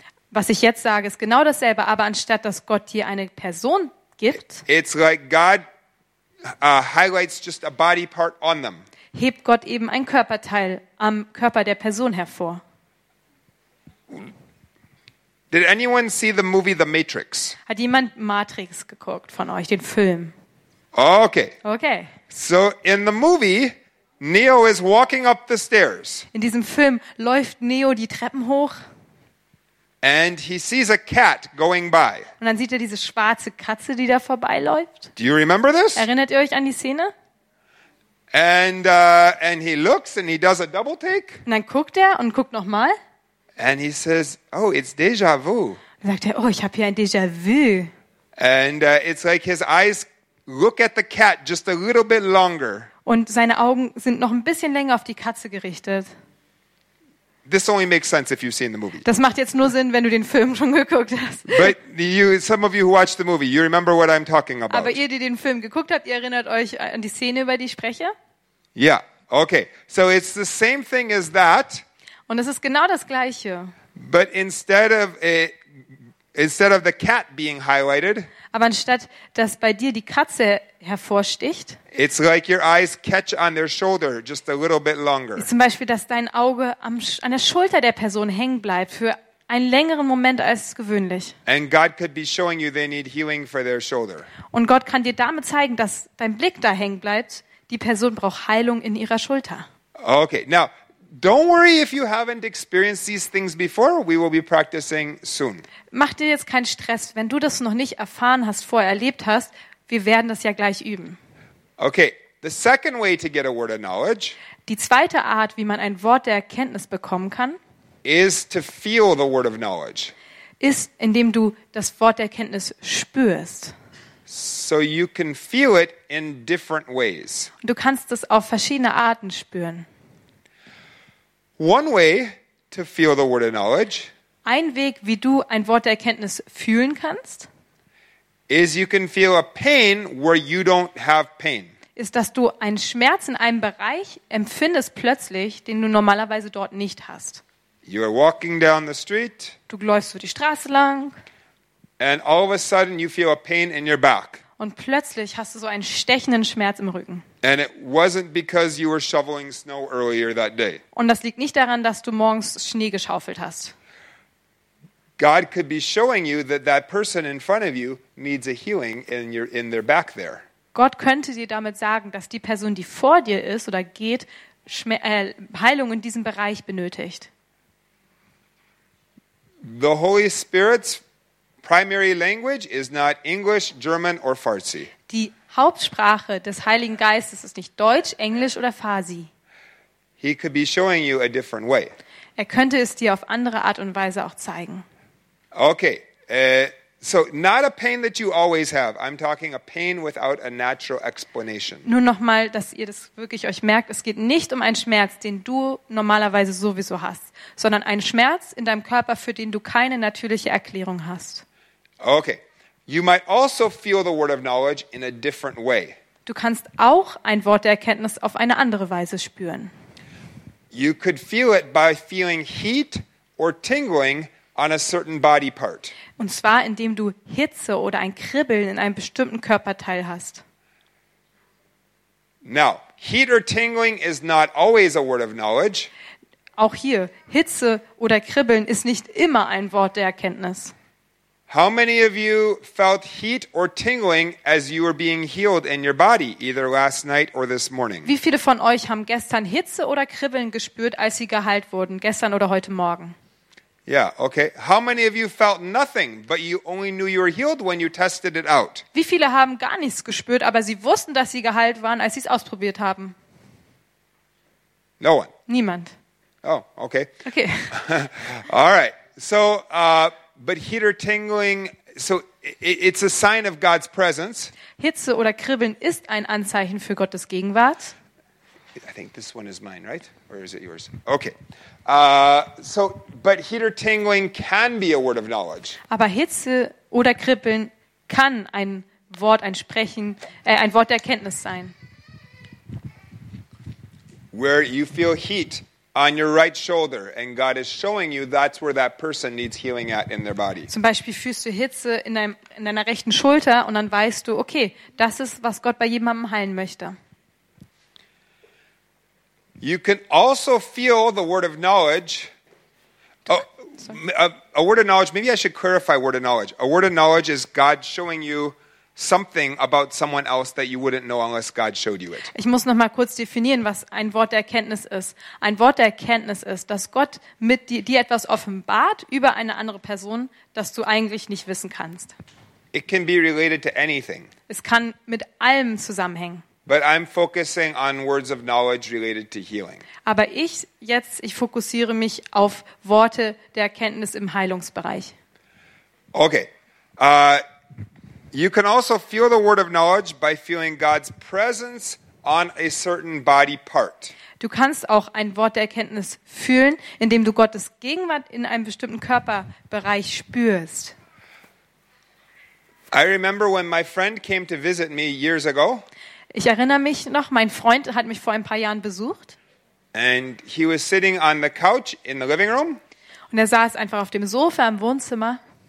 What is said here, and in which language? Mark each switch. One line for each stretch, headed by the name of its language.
German: was ich jetzt sage, ist genau dasselbe, aber anstatt dass Gott dir eine Person gibt,
English: it's like God highlights just a body part on them.
German: Hebt Gott eben ein Körperteil am Körper der Person hervor.
English: Did anyone see the movie The Matrix?
German: Hat jemand Matrix geguckt von euch, den Film? Okay. Okay.
English: So in the movie, Neo is walking up the stairs.
German: In diesem Film läuft Neo die Treppen hoch.
English: And he sees a cat going by.
German: Und dann sieht er diese schwarze Katze, die da vorbeiläuft.
English: Do you remember this?
German: Erinnert ihr euch an die Szene?
English: And he looks and he does a double take.
German: Und dann guckt er und guckt nochmal.
English: And he says, "Oh, it's déjà vu."
German: Dann sagt er, oh, ich habe hier ein déjà vu.
English: And it's like his eyes look at the cat just a little bit longer.
German: Und seine Augen sind noch ein bisschen länger auf die Katze gerichtet.
English: This only makes sense if you've seen the movie.
German: Das macht jetzt nur Sinn, wenn du den Film schon geguckt hast.
English: But some of you who watched the movie, you remember what I'm talking about.
German: Aber ihr, die den Film geguckt habt, ihr erinnert euch an die Szene, über die ich spreche?
English: Yeah. Okay. So it's the same thing as that.
German: Und es ist genau das gleiche.
English: But instead of the cat being highlighted,
German: aber anstatt dass bei dir die Katze hervorsticht,
English: it's like your eyes catch on their shoulder just a little bit longer.
German: Zum Beispiel, dass dein Auge an der Schulter der Person hängen bleibt für einen längeren Moment als gewöhnlich.
English: And God could be showing you they need healing for their shoulder.
German: Und Gott kann dir damit zeigen, dass dein Blick da hängen bleibt, die Person braucht Heilung in ihrer Schulter.
English: Okay, now don't worry if you haven't experienced these things before. We will be practicing soon.
German: Mach dir jetzt keinen Stress, wenn du das noch nicht erfahren hast, vorher erlebt hast. Wir werden das ja gleich üben.
English: Okay, the second way to get a word of knowledge.
German: Die zweite Art, wie man ein Wort der Erkenntnis bekommen kann,
English: is to feel the word of knowledge.
German: Ist, indem du das Wort der Erkenntnis spürst.
English: So you can feel it in different ways.
German: Du kannst es auf verschiedene Arten spüren.
English: One way to feel the word of knowledge.
German: Ein Weg, wie du ein Wort der Erkenntnis fühlen kannst,
English: is you can feel a pain where you don't have pain.
German: Ist, dass du einen Schmerz in einem Bereich empfindest plötzlich, den du normalerweise dort nicht hast.
English: You are walking down the street.
German: Du läufst so die Straße lang.
English: And all of a sudden you feel a pain in your back.
German: Und plötzlich hast du so einen stechenden Schmerz im Rücken.
English: And it wasn't because you were shoveling snow earlier that day.
German: Und das liegt nicht daran, dass du morgens Schnee geschaufelt hast.
English: God could be showing you that that person in front of you needs a healing in their back there.
German: Gott könnte dir damit sagen, dass die Person, die vor dir ist oder geht, Heilung in diesem Bereich benötigt.
English: The Holy Spirit's primary language is not English, German or Farsi.
German: Die Hauptsprache des Heiligen Geistes ist nicht Deutsch, Englisch oder Farsi.
English: He could be showing you a different way.
German: Er könnte es dir auf andere Art und Weise auch zeigen.
English: Okay, so not a pain that you always have. I'm talking a pain without a natural explanation.
German: Nur nochmal, dass ihr das wirklich euch merkt. Es geht nicht um einen Schmerz, den du normalerweise sowieso hast, sondern einen Schmerz in deinem Körper, für den du keine natürliche Erklärung hast.
English: Okay, you might also feel the word of knowledge in a different way.
German: Du kannst auch ein Wort der Erkenntnis auf eine andere Weise spüren.
English: You could feel it by feeling heat or tingling on a certain body part.
German: Und zwar indem du Hitze oder ein Kribbeln in einem bestimmten Körperteil hast.
English: Now, heat or tingling is not always a word of knowledge.
German: Auch hier, Hitze oder Kribbeln ist nicht immer ein Wort der Erkenntnis.
English: How many of you felt heat or tingling as you were being healed in your body, either last night or this morning?
German: Wie viele von euch haben gestern Hitze oder Kribbeln gespürt, als sie geheilt wurden, gestern oder heute Morgen?
English: Yeah, okay. How many of you felt nothing, but you only knew you were healed when you tested it out?
German: Wie viele haben gar nichts gespürt, aber sie wussten, dass sie geheilt waren, als sie es ausprobiert haben?
English: No one.
German: Niemand.
English: Oh, okay. Okay. All right. So, but heat or tingling so it's a sign of God's presence.
German: Hitze oder Kribbeln ist ein Anzeichen für Gottes Gegenwart.
English: I think this one is mine, right? Or is it yours? Okay. But heat or tingling can be a word of knowledge.
German: Aber Hitze oder Kribbeln kann ein Wort, ein Sprechen, ein Wort der Erkenntnis sein.
English: Where you feel heat on your right shoulder and God is showing you that's where that person needs healing at in their body.
German: Zum Beispiel fühlst du Hitze in deiner rechten Schulter und dann weißt du, okay, das ist, was Gott bei jemandem heilen möchte.
English: You can also feel the word of knowledge. A word of knowledge, maybe I should clarify word of knowledge. A word of knowledge is God showing you something about someone else that you wouldn't know unless God showed you it.
German: Ich muss noch mal kurz definieren, was ein Wort der Erkenntnis ist. Ein Wort der Erkenntnis ist, dass Gott mit dir etwas offenbart über eine andere Person, das du eigentlich nicht wissen kannst.
English: It can be related to anything.
German: Es kann mit allem zusammenhängen.
English: But I'm focusing on words of knowledge related to healing.
German: Aber ich fokussiere mich auf Worte der Erkenntnis im Heilungsbereich. Okay.
English: You can also feel the word of knowledge by feeling God's presence on a certain body part.
German: Du kannst auch ein Wort der Erkenntnis fühlen, indem du Gottes Gegenwart in einem bestimmten Körperbereich spürst.
English: I remember when my friend came to visit me years ago.
German: Ich erinnere mich noch, mein Freund hat mich vor ein paar Jahren besucht.
English: And he was sitting on the couch in the living room.
German: Und er saß einfach auf dem Sofa im Wohnzimmer.